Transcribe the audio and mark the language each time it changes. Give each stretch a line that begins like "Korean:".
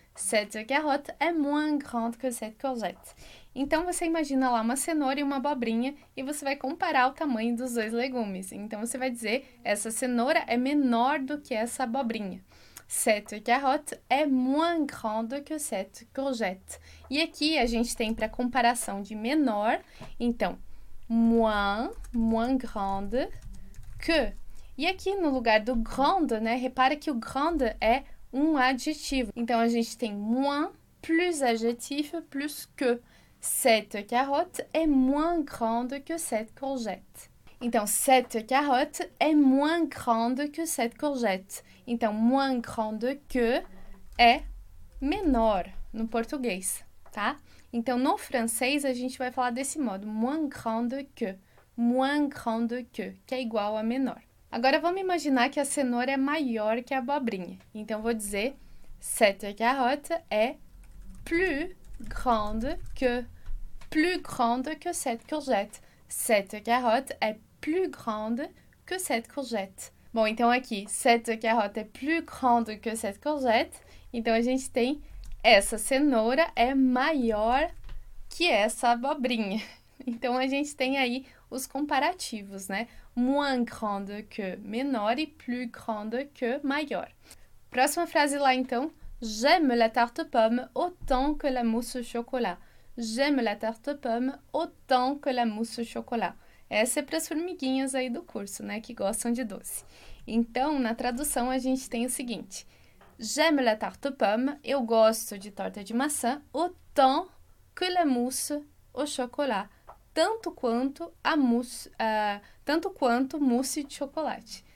French: Cette carotte est moins grande que cette courgette.
Portuguese: Então, você imagina lá uma cenoura e uma abobrinha e você vai comparar o tamanho dos dois legumes. Então, você vai dizer, essa cenoura é menor do que essa abobrinha.
French: Cette carotte est moins grande que cette courgette.
Portuguese: E aqui a gente tem para comparação de menor, então
French: moins grande que.
Portuguese: E aqui no lugar do grande, né? Repara que o grande é um adjetivo. Então a gente tem moins plus adjetif plus que.
French: Cette carotte est moins grande que cette courgette.
Portuguese: Então,
French: cette carotte est moins grande que cette courgette.
Portuguese: Então,
French: moins grande que
Portuguese: é menor no português, tá? Então, no francês, a gente vai falar desse modo,
French: moins grande que
Portuguese: é igual a menor. Agora, vamos imaginar que a cenoura é maior que a abobrinha. Então, vou dizer,
French: cette carotte est plus grande que cette courgette. Cette carotte est plus grande que cette courgette.
Portuguese: Bom, então aqui,
French: cette carotte est plus grande que cette courgette.
Portuguese: Então a gente tem essa cenoura é maior que essa abobrinha. Então a gente tem aí os comparativos, né?
French: Moins grande que menor e plus grande que maior.
Portuguese: Próxima frase lá então.
French: J'aime la tarte pomme autant que la mousse au chocolat. J'aime la tarte pomme autant que la mousse au chocolat.
Portuguese: Essa é para as formiguinhas aí do curso, né? Que gostam de doce. Então, na tradução, a gente tem o seguinte:
French: J'aime la tarte pomme,
Portuguese: eu gosto de torta de maçã,
French: autant que la mousse au chocolat.
Portuguese: Tanto quanto a mousse, tanto quanto mousse de chocolate.